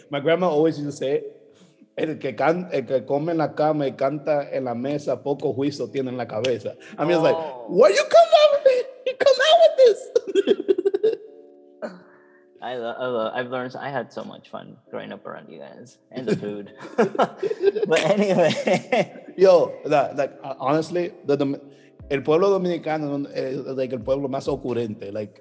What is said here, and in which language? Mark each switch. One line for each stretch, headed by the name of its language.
English: My grandma always used to say,
Spanish: el que come en la cama y canta en la mesa, poco juicio tiene en la cabeza.
English: I mean, it's like, where you come out with it? You come out with this. I had so much fun growing up around you guys and the food. But anyway. Yo, honestly,
Spanish: el pueblo dominicano
English: is like
Spanish: el pueblo más ocurrente.